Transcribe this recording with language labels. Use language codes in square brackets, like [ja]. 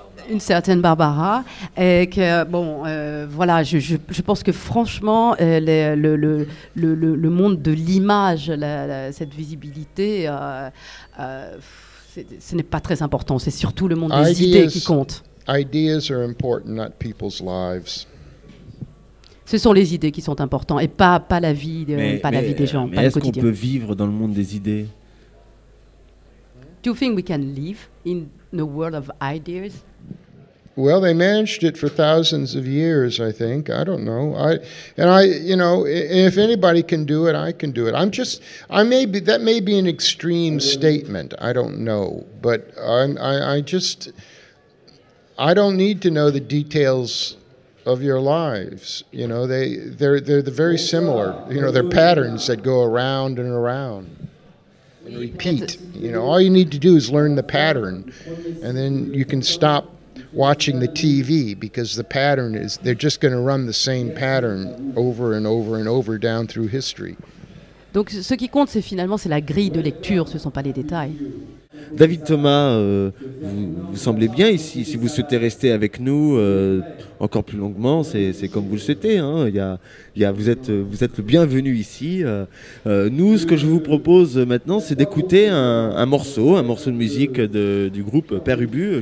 [fr] Une certaine Barbara, et que, bon, voilà, je pense que franchement, le monde de l'image, cette visibilité, ce n'est pas très important, c'est surtout le monde des idées qui compte. [en] Ideas are important, not people's lives. [fr] Ce sont les idées qui sont importantes, et pas la vie, la vie des gens, pas le quotidien. Mais est-ce qu'on peut vivre dans le monde des idées? [en] Do you think we can live in the world of ideas? Well, they managed it for thousands of years, I think. I don't know. If anybody can do it, I can do it. That may be an extreme statement. I don't know. But I don't need to know the details of your lives. You know, they're very similar. You know, they're patterns that go around and around. And repeat. You know, all you need to do is learn the pattern, and then you can stop watching the TV because the pattern is they're just going to run the same pattern over and over and over down through history. [fr] Donc ce qui compte c'est finalement la grille de lecture, ce sont pas les détails. David Thomas, vous semblez bien ici. Si vous souhaitez rester avec nous encore plus longuement, c'est comme vous le souhaitez. Hein. Vous êtes le bienvenu ici. Nous, ce que je vous propose maintenant, c'est d'écouter un morceau de musique du groupe Père Ubu.